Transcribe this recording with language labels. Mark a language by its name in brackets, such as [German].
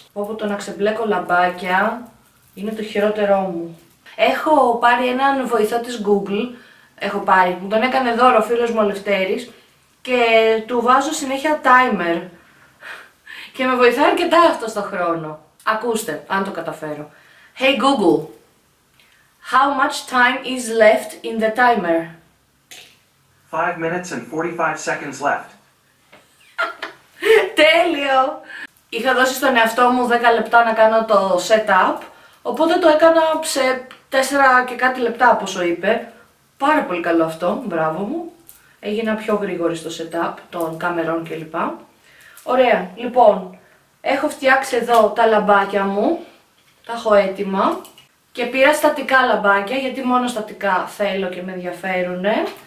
[Greek] Όπου το να ξεμπλέκω λαμπάκια είναι το χειρότερό μου. Έχω πάρει έναν βοηθό της Google, έχω πάρει, μου τον έκανε δώρο ο φίλος μου ο Λευτέρης. Και του βάζω συνέχεια timer και με βοηθάει αρκετά αυτό στο χρόνο. Ακούστε, αν το καταφέρω. [English] Hey Google, how much time is left in the timer? 5 minutes and 45 seconds left. [Greek] Τέλειο! Είχα δώσει στον εαυτό μου 10 λεπτά να κάνω το setup, οπότε το έκανα σε 4 και κάτι λεπτά, όσο είπε. Πάρα πολύ καλό αυτό, μπράβο μου. Έγινα πιο γρήγορη στο setup των καμερών κλπ. Ωραία, λοιπόν, έχω φτιάξει εδώ τα λαμπάκια μου, τα έχω έτοιμα και πήρα στατικά λαμπάκια γιατί μόνο στατικά θέλω και με ενδιαφέρουνε.